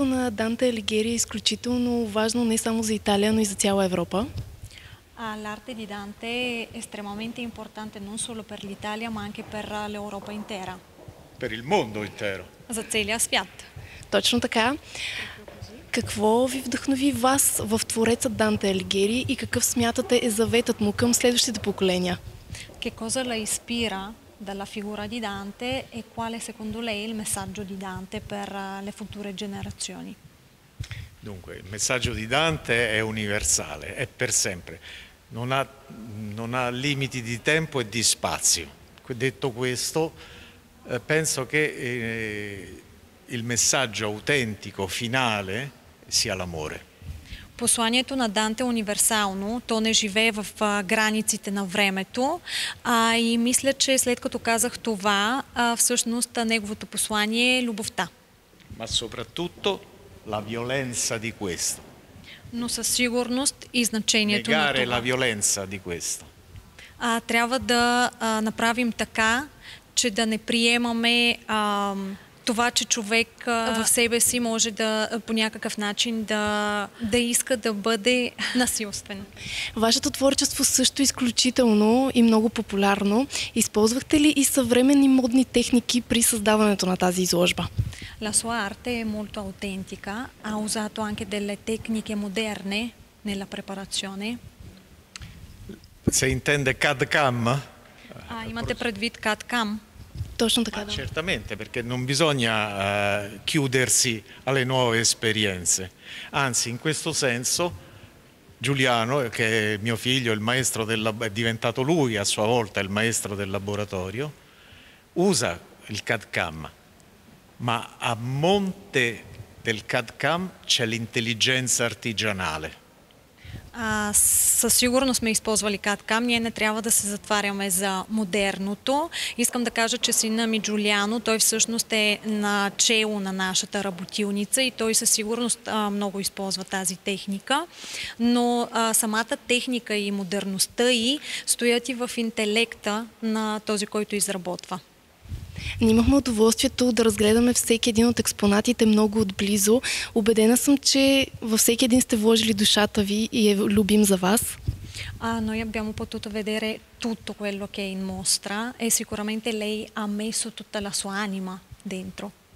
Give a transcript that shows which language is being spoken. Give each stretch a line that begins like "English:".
Bulgarian: Данте Алигьери е изключително важно не само за Италия, но и за цяла Европа.
Italian: L'arte di Dante è estremamente importante non solo per l'Italia, ma anche per l'Europa intera. Per il mondo intero.
Bulgarian: За целия свят. Точно така. Какво ви вдъхнови вас в твореца Данте Алигьери и какъв смятате е заветът му към следващите поколения?
Italian: Che cosa la ispira dalla figura di Dante e quale secondo lei il messaggio di Dante per le future generazioni? Dunque, il messaggio di Dante è universale, è per sempre, non ha limiti di tempo e di spazio. Detto questo, penso che il messaggio autentico, finale, sia l'amore.
Bulgarian: Посланието на Данте е универсално, то не живее в границите на времето и мисля, че след като казах това, всъщност неговото послание е любовта.
Italian: Ma soprattutto la violenza di questo.
Bulgarian: Но със сигурност и значението
Italian: Negare
Bulgarian: на това.
Italian: Negare la violenza di questo.
Bulgarian: Трябва да направим така, че да не приемаме това, че човек в себе си може да по някакъв начин да иска да бъде насилствен. Вашето творчество също е изключително и много популярно. Използвахте ли и съвременни модни техники при създаването на тази изложба?
Italian: La sua arte è molto autentica, ha usato anche delle tecniche moderne nella preparazione. Se intende CAD-CAM?
Bulgarian: Imate predvid CAD-CAM? Точно така.
Italian: Certamente, perché non bisogna chiudersi alle nuove esperienze. Anzi, in questo senso, Giuliano, che è mio figlio, il maestro del è diventato lui a sua volta il maestro del laboratorio, usa il CAD-CAM, ma a monte del CAD-CAM c'è l'intelligenza artigianale.
Bulgarian: Със сигурност сме използвали CAD-CAM, ние не трябва да се затваряме за модерното. Искам да кажа, че сина ми Джулиано, той всъщност е начело на нашата работилница и той със сигурност много използва тази техника, но самата техника и модерността й стоят и в интелекта на този, който изработва. Ние имахме удоволствието да разгледаме всеки един от експонатите много отблизо. Убедена съм, че във всеки един сте вложили душата ви и е любим за вас.
Italian: Noi abbiamo potuto vedere tutto quello che è in mostra e sicuramente lei ha messo tutta la sua anima dentro.